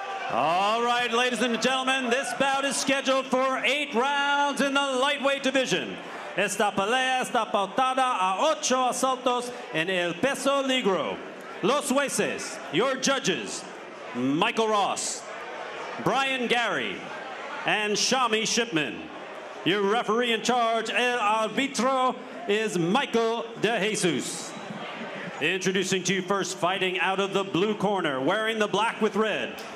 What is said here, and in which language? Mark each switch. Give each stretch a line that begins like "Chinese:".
English: All right, ladies and gentlemen, this bout is scheduled for 8 rounds in the lightweight division.
Spanish: Esta pelea está pautada a 8 asaltos en el peso ligero. Los jueces,
English: your judges, Michael Ross, Brian Gary, and Shami Shipman. Your referee in charge,
Spanish: el árbitro,
English: is Michael De Jesus. Introducing to you first, fighting out of the blue corner, wearing the black with red.